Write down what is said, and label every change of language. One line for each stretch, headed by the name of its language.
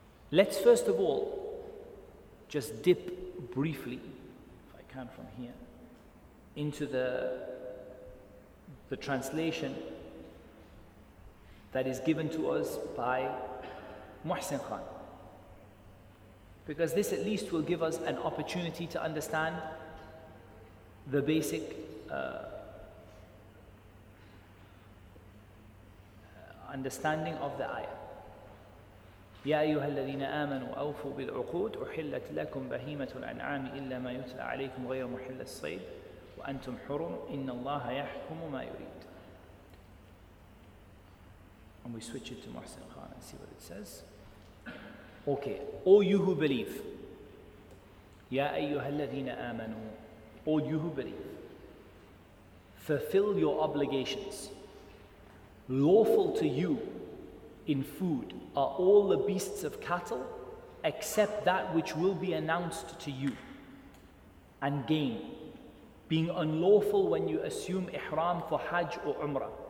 English: Let's first of all just dip briefly, if I can from here, into the translation that is given to us by Muhsin Khan, because this at least will give us an opportunity to understand the basic understanding of the ayah.
Arabic: يا أيها الذين آمنوا أوفوا بالعقود أحلت لكم بهيمة الأنعام إلا ما يتلى عليكم غير محل الصيد وأنتم حرم إن الله يحكم ما يريد.
English: And we switch it to Muhsin Khan and see what it says. Okay. All you who believe.
Arabic: يا أيها الذين آمنوا.
English: All you who believe. Fulfill your obligations. Lawful to you in food are all the beasts of cattle except that which will be announced to you, and gain, being unlawful when you assume ihram for Hajj or Umrah.